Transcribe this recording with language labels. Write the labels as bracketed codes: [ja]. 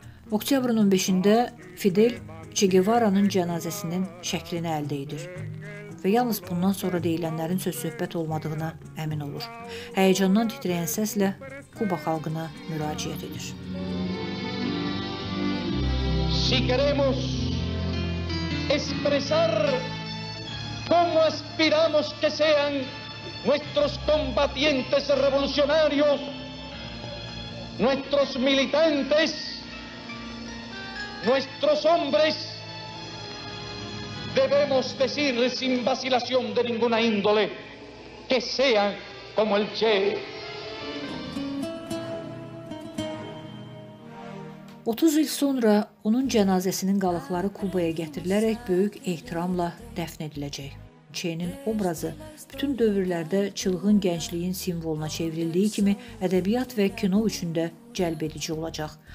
[az] Oktyabrın 15-də Fidel Che Guevara'nın cənazəsinin şəklini əldə edir. və yalnız bundan sonra deyilənlərin söz söhbət olmadığına əmin olur. Həyəcandan titrəyən səslə Kuba xalqına müraciət edir. [es] Si queremos expresar cómo aspiramos que sean nuestros combatientes revolucionarios, nuestros militantes, nuestros hombres, debemos decir sin vacilación de ninguna índole que sean como el Che. [az] 30 il sonra onun cənazəsinin qalıqları Kubaya gətirilərək böyük ehtiramla dəfn ediləcək. Çeynin obrazı bütün dövrlərdə çılğın gəncliyin simvoluna çevrildiyi kimi ədəbiyyat və kino üçün də cəlb edici olacaq.